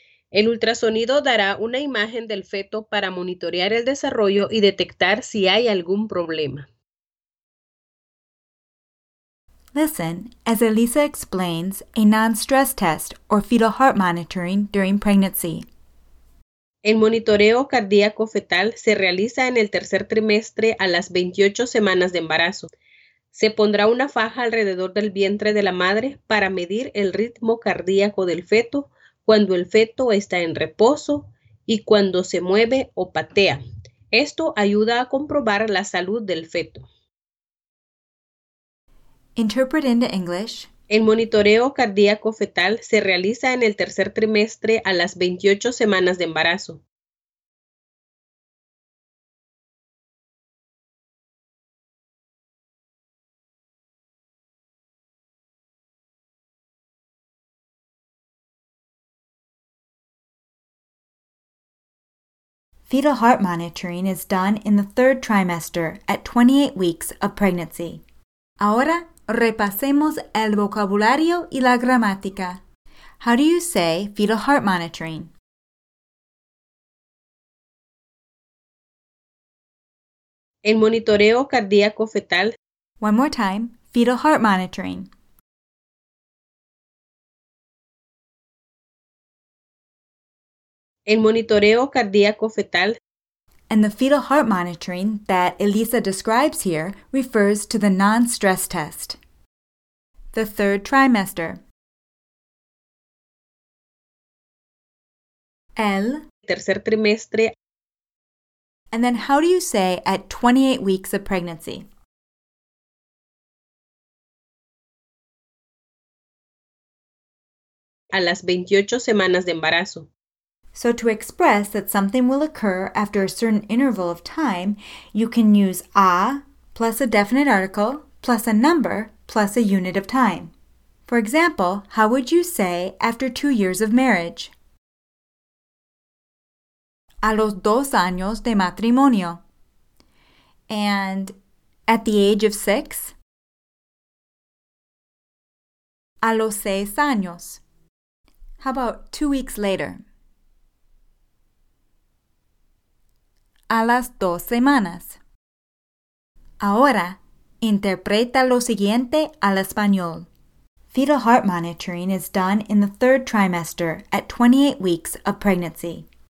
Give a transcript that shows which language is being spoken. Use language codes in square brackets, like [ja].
[es] El ultrasonido dará una imagen del feto para monitorear el desarrollo y detectar si hay algún problema. [en] Listen as Elisa explains a non-stress test or fetal heart monitoring during pregnancy. [es] El monitoreo cardíaco fetal se realiza en el tercer trimestre a las 28 semanas de embarazo. Se pondrá una faja alrededor del vientre de la madre para medir el ritmo cardíaco del feto cuando el feto está en reposo y cuando se mueve o patea. Esto ayuda a comprobar la salud del feto. [en] Interpret into English. [es] El monitoreo cardíaco fetal se realiza en el tercer trimestre a las 28 semanas de embarazo. [en] Fetal heart monitoring is done in the third trimester at 28 weeks of pregnancy. [es] Ahora, repasemos el vocabulario y la gramática. [en] How do you say fetal heart monitoring? [es] El monitoreo cardíaco fetal. [en] One more time, fetal heart monitoring. [es] El monitoreo cardíaco fetal. [en] And the fetal heart monitoring that Elisa describes here refers to the non-stress test. The third trimester. [es] El tercer trimestre. [en] And then how do you say at 28 weeks of pregnancy? [es] A las 28 semanas de embarazo. [en] So to express that something will occur after a certain interval of time, you can use a plus a definite article plus a number plus a unit of time. For example, how would you say after 2 years of marriage? [es] A los dos años de matrimonio. [en] And at the age of six? [es] A los seis años. [en] How about 2 weeks later? [es] A las dos semanas. Ahora, interpreta lo siguiente al español. [en] Fetal heart monitoring is done in the third trimester at 28 weeks of pregnancy.